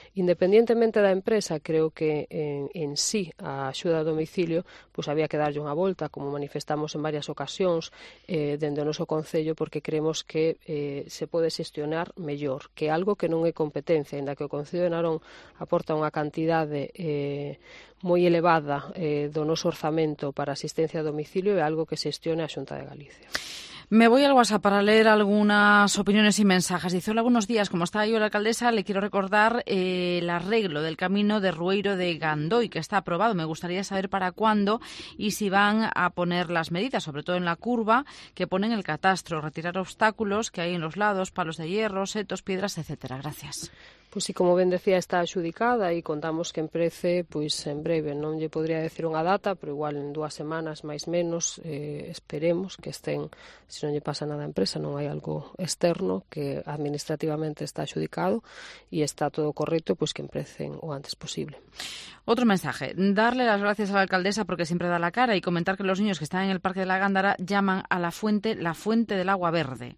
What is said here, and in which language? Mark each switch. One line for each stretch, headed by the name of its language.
Galician: Independientemente da empresa, creo que en sí a axuda a domicilio pois había que darlle unha volta, como manifestamos en varias ocasións dende o noso concello, porque creemos que se pode xestionar mellor, que algo que non é competencia, aínda que o concello de Narón aporta unha cantidade moi elevada do noso orzamento para asistencia a domicilio, é algo que xestione a Xunta de Galicia.
Spanish: Me voy al WhatsApp para leer algunas opiniones y mensajes. Dice, hola, buenos días. Como está yo la alcaldesa, le quiero recordar el arreglo del camino de Rueiro de Gandoy, que está aprobado. Me gustaría saber para cuándo y si van a poner las medidas, sobre todo en la curva que ponen el catastro, retirar obstáculos que hay en los lados, palos de hierro, setos, piedras, etcétera. Gracias.
Galician: Pues sí, como ben decía, está adxudicada e contamos que emprece pues, en breve. Non lle podría decir unha data, pero igual en dúas semanas, máis menos, esperemos que estén, se non lle pasa nada a empresa, non hai algo externo que administrativamente está adxudicado e está todo correcto, pues, que emprecen o antes posible.
Spanish: Otro mensaje. Darle las gracias a la alcaldesa porque siempre da la cara y comentar que los niños que están en el Parque de la Gándara llaman a la fuente del agua verde.